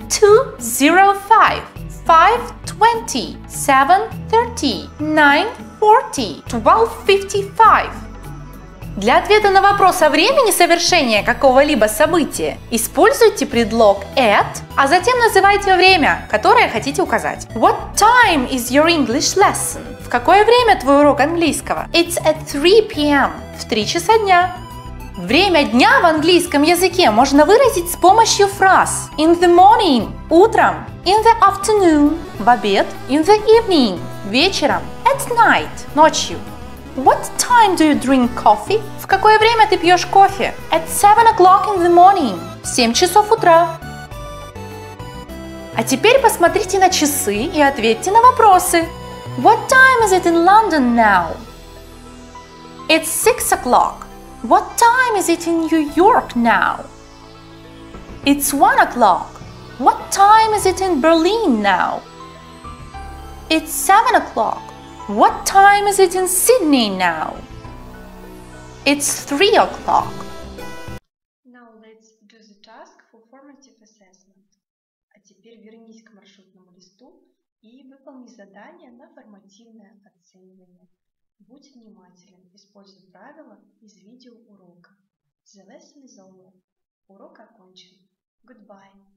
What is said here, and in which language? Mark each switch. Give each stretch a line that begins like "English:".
English: 2:05, 5:20, 7:30, 9:40, 12:55.
Russian: Для ответа на вопрос о времени совершения какого-либо события используйте предлог at, а затем называйте время, которое хотите указать.
English: What time is your English lesson?
Russian: В какое время твой урок английского?
English: It's at 3 p.m.
Russian: В 3 часа дня. Время дня в английском языке можно выразить с помощью фраз
English: in the morning
Russian: – утром,
English: in the afternoon
Russian: – в обед,
English: in the evening
Russian: – вечером,
English: at night
Russian: – ночью.
English: What time do you drink coffee?
Russian: В какое время ты пьешь кофе?
English: At 7 o'clock in the morning.
Russian: В 7 часов утра. А теперь посмотрите на часы и ответьте на вопросы.
English: What time is it in London now? It's 6 o'clock. What time is it in New York now? It's 1 o'clock. What time is it in Berlin now? It's 7 o'clock. What time is it in Sydney now? It's 3 o'clock. Now let's do the task for formative assessment.
Russian: А теперь вернись к маршрутному листу и выполни задание на формативное оценивание. Будь внимателен, используй правила из видеоурока.
English: The lesson is over.
Russian: Урок окончен.
English: Goodbye.